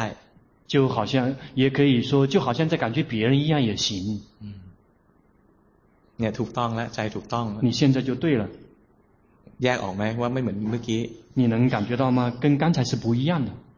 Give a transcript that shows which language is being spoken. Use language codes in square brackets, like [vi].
[zh] 就好像也可以说就好像在感觉别人一样也行 [th] เนี่ยถูกต้องแล้วใจถูกต้องแล้ว [zh] 你现在就对了 [th] แยกออกไหมว่าไม่เหมือนเมื่อกี้ [zh] 你能感觉到吗跟刚才是不一样的